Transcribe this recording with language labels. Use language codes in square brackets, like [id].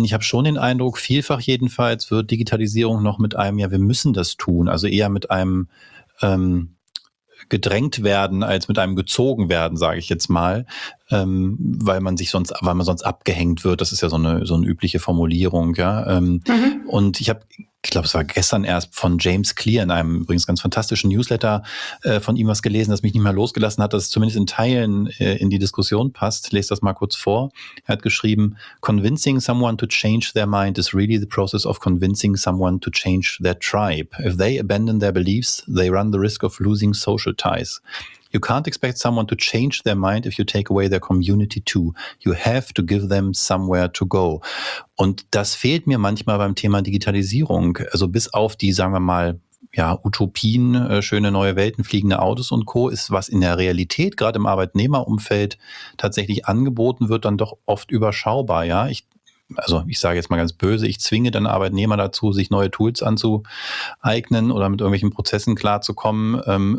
[de] Denn ich habe schon den Eindruck, vielfach jedenfalls wird Digitalisierung noch mit einem, ja, wir müssen das tun, also eher mit einem gedrängt werden als mit einem gezogen werden, sage ich jetzt mal, weil man sonst abgehängt wird. Das ist ja so eine übliche Formulierung, ja. Und ich glaube, es war gestern erst von James Clear in einem übrigens ganz fantastischen Newsletter von ihm was gelesen, das mich nicht mehr losgelassen hat, das zumindest in Teilen in die Diskussion passt. Ich lese das mal kurz vor. Er hat geschrieben, [en] convincing someone to change their mind is really the process of convincing someone to change their tribe. If they abandon their beliefs, they run the risk of losing social ties. You can't expect someone to change their mind if you take away their community too. You have to give them somewhere to go. [de] Und das fehlt mir manchmal beim Thema Digitalisierung. Also bis auf die, sagen wir mal, ja, Utopien, schöne neue Welten, fliegende Autos und Co. ist, was in der Realität, gerade im Arbeitnehmerumfeld, tatsächlich angeboten wird, dann doch oft überschaubar. Ja, ich sage jetzt mal ganz böse, ich zwinge dann Arbeitnehmer dazu, sich neue Tools anzueignen oder mit irgendwelchen Prozessen klarzukommen.